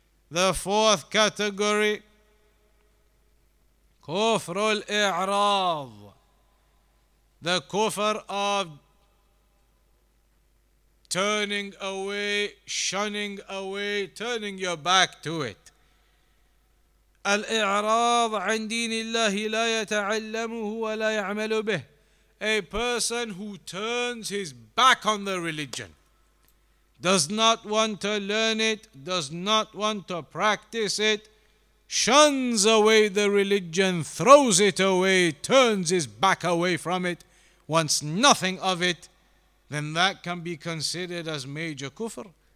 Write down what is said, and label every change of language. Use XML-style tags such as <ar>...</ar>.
<en>The fourth category, kufr al-i'raad, the kufr of turning away, shunning away, turning your back to it.</en> <ar>الإعراض عن دين الله لا يتعلمه ولا يعمل به.</ar> <en>A person who turns his back on the religion, does not want to learn it, does not want to practice it, shuns away the religion, throws it away, turns his back away from it, wants nothing of it, then that can be considered as major kufr.</en>